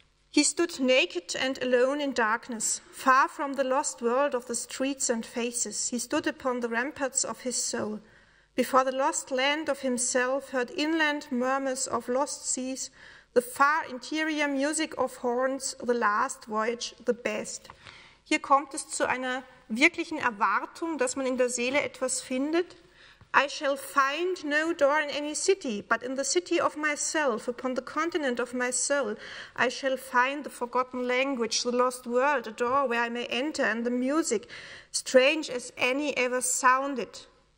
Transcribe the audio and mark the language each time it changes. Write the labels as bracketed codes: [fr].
[en] He stood naked and alone in darkness, far from the lost world of the streets and faces. He stood upon the ramparts of his soul, before the lost land of himself, heard inland murmurs of lost seas, the far interior music of horns, the last voyage, the best. [de] Hier kommt es zu einer wirklichen Erwartung, dass man in der Seele etwas findet. [en] I shall find no door in any city, but in the city of myself, upon the continent of my soul, I shall find the forgotten language, the lost world, a door where I may enter, and the music, strange as any ever sounded.